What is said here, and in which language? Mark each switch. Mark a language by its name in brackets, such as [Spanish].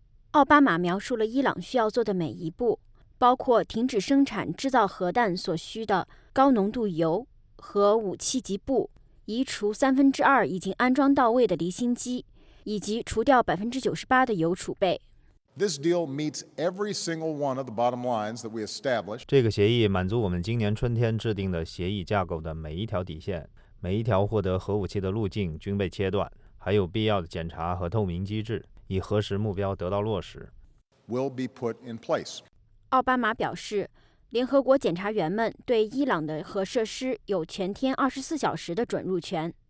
[Chinese] 奥巴马描述了伊朗需要做的每一步，包括停止生产制造核弹所需的高浓度铀和武器级部移除2/3已经安装到位的离心机，以及除掉98%的油储备。 [English] This deal meets every single one of the bottom lines that we established. [Chinese] 这个协议满足我们今年春天制定的协议架构的每一条底线，每一条获得核武器的路径均被切断，还有必要的检查和透明机制，以核实目标得到落实。 [English] Will be put in place. [Chinese] 奥巴马表示，联合国检察员们对伊朗的核设施有全天24小时的准入权。